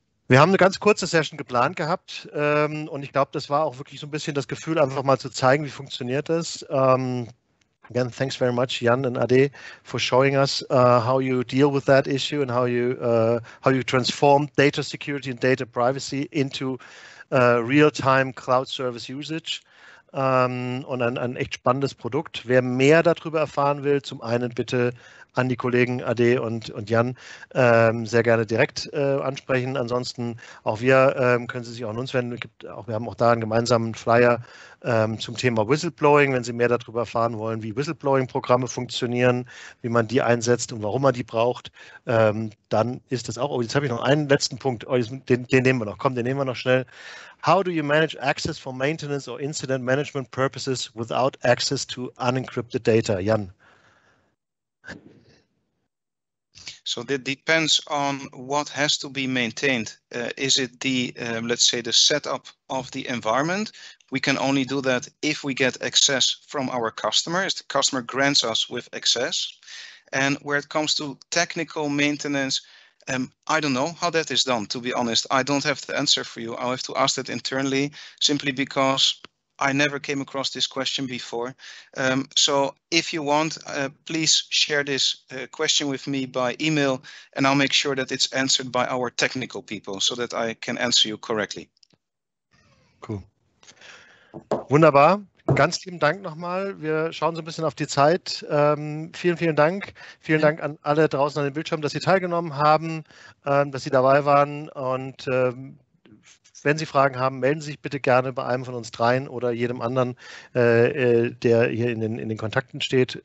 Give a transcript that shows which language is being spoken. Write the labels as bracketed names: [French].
[German] Wir haben eine ganz kurze Session geplant gehabt und ich glaube, das war auch wirklich so ein bisschen das Gefühl, einfach mal zu zeigen, wie funktioniert das. [English] Again, thanks very much, Jan and Ade, for showing us how you deal with that issue and how you transform data security and data privacy into real-time cloud service usage. [German] Und ein echt spannendes Produkt. Wer mehr darüber erfahren will, zum einen bitte an die Kollegen Ade und Jan sehr gerne direkt ansprechen. Ansonsten auch wir können Sie sich auch an uns wenden. Wir haben auch da einen gemeinsamen Flyer zum Thema Whistleblowing, wenn Sie mehr darüber erfahren wollen, wie Whistleblowing-Programme funktionieren, wie man die einsetzt und warum man die braucht, dann ist das auch. Oh, jetzt habe ich noch einen letzten Punkt. Oh, den nehmen wir noch. Komm, den nehmen wir noch schnell. [English] How do you manage access for maintenance or incident management purposes without access to unencrypted data? Jan. So that depends on what has to be maintained. Is it the, let's say, the setup of the environment? We can only do that if we get access from our customers. The customer grants us with access. And where it comes to technical maintenance, I don't know how that is done, to be honest. I don't have the answer for you. I'll have to ask that internally, simply because I never came across this question before. So if you want, please share this question with me by email, and I'll make sure that it's answered by our technical people so that I can answer you correctly. [German] Cool. Wunderbar. Ganz lieben Dank nochmal. Wir schauen so ein bisschen auf die Zeit. Vielen, vielen Dank. Vielen Dank an alle draußen an den Bildschirmen, dass Sie teilgenommen haben, dass Sie dabei waren. Und wenn Sie Fragen haben, melden Sie sich bitte gerne bei einem von uns dreien oder jedem anderen, der hier in den Kontakten steht.